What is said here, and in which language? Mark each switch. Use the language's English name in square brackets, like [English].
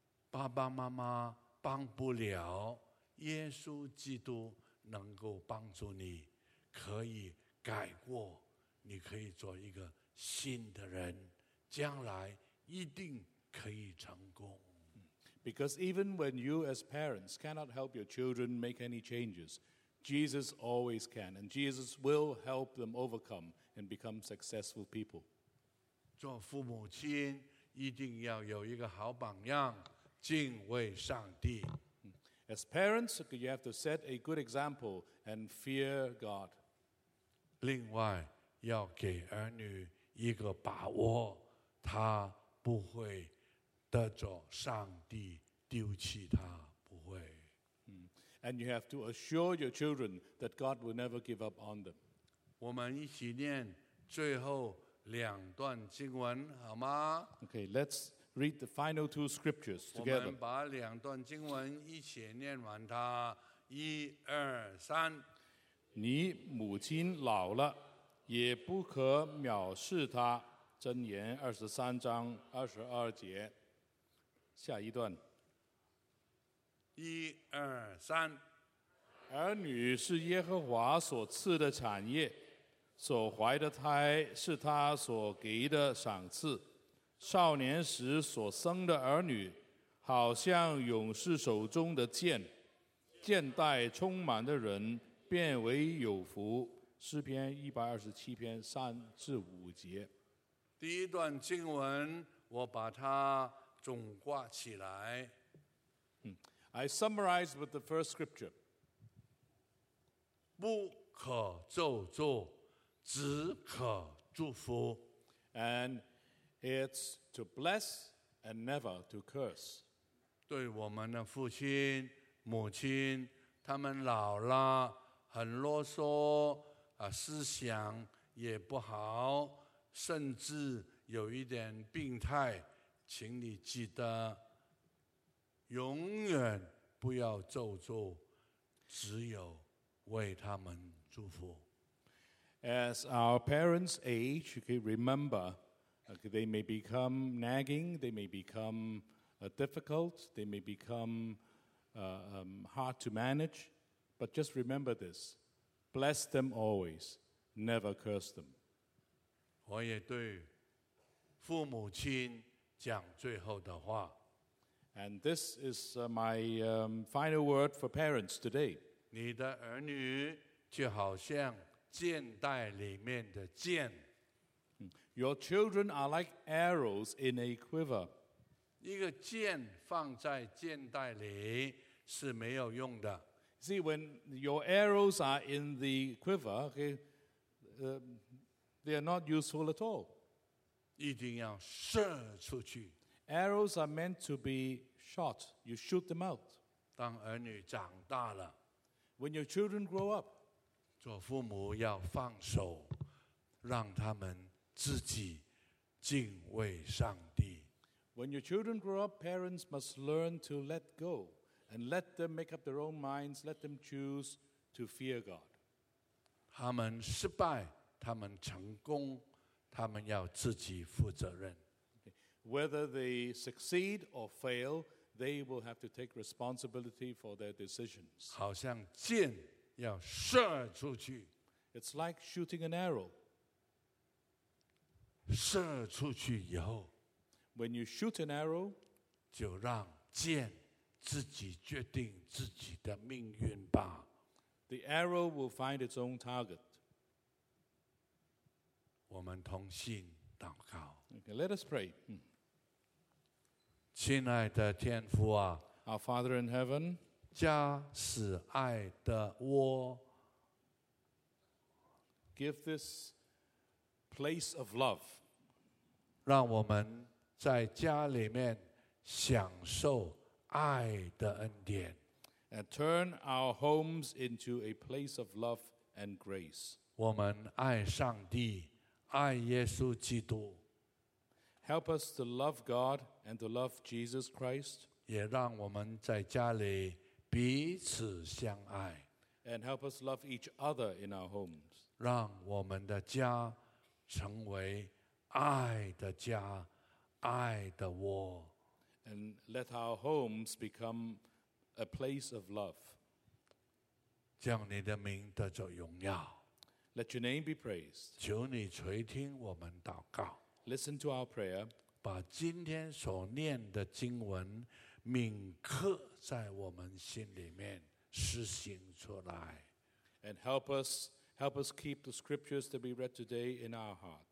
[Chinese] 爸爸妈妈帮不了，耶稣基督能够帮助你，可以改过，你可以做一个新的人，将来一定可以成功。 [English] Because even when you as parents cannot help your children make any changes, Jesus always can, and Jesus will help them overcome and become successful people. [Chinese] 做父母亲一定要有一个好榜样，敬畏上帝。 [English] As parents, you have to set a good example and fear God. [Chinese] 另外要给儿女一个把握，他不会得着上帝丢弃他，不会。 [English] And you have to assure your children that God will never give up on them. [Chinese] 我们一起念最后两段经文好吗？ [English] Okay, let's read the final two scriptures together. [Chinese] 我们把两段经文一起念完它，一二三。你母亲老了，也不可藐视她。箴言二十三章二十二节，下一段。一二三，儿女是耶和华所赐的产业，所怀的胎是他所给的赏赐。少年时所生的儿女，好像勇士手中的剑，剑带充满的人变为有福。诗篇一百二十七篇三至五节。第一段经文我把它总括起来。 [English] I summarize with the first scripture. [Chinese] 不可咒诅，只可祝福。 [English] And it's to bless and never to curse. [Chinese] 对我们的父亲母亲，他们老了很啰嗦，思想也不好，甚至有一点病态，请你记得永远不要咒诅，只有为他们祝福。 [English] As our parents age, you can remember, okay, they may become nagging, they may become difficult, they may become hard to manage, but just remember this, bless them always, never curse them. [Chinese] 我也对父母亲讲最后的话。 [English] And this is my final word for parents today. [Chinese] 你的儿女就好像箭袋里面的箭。 [English] Your children are like arrows in a quiver. [Chinese] 一个箭放在箭袋里是没有用的。 [English] See, when your arrows are in the quiver, okay, they are not useful at all. [Chinese] 一定要射出去。 [English] Arrows are meant to be shot. You shoot them out. [Chinese] 当儿女长大了， [English] When your children grow up, [Chinese] 做父母要放手，让他们自己敬畏上帝。 [English] When your children grow up, parents must learn to let go and let them make up their own minds, let them choose to fear God. [Chinese] 他们失败，他们成功，他们要自己负责任。 [English] Whether they succeed or fail, they will have to take responsibility for their decisions. [Chinese] 好像箭要射出去。 [English] It's like shooting an arrow. [Chinese] 射出去以后， [English] When you shoot an arrow, [Chinese] 就让箭自己决定自己的命运吧。 [English] The arrow will find its own target. [Chinese] 我们同心祷告。 [English] Okay, let us pray. [Chinese] 亲爱的天父啊， [English] Our Father in Heaven, [Chinese] 家是爱的窝， [English] Give this place of love, [Chinese] 让我们在家里面享受爱的恩典， [English] And turn our homes into a place of love and grace. [Chinese] 我们爱上帝，爱耶稣基督。 [English] Help us to love God and to love Jesus Christ. [Chinese] 也让我们在家里彼此相爱。 [English] And help us love each other in our homes. [Chinese] 让我们的家成为爱的家，爱的窝。 [English] And let our homes become a place of love. [Chinese] 将你的名得着荣耀。 [English] Let your name be praised. [Chinese] 求你垂听我们祷告。 [English] Listen to our prayer. [Chinese] 把今天所念的经文铭刻在我们心里面，实行出来。 [English] And help us keep the scriptures to be read today in our hearts.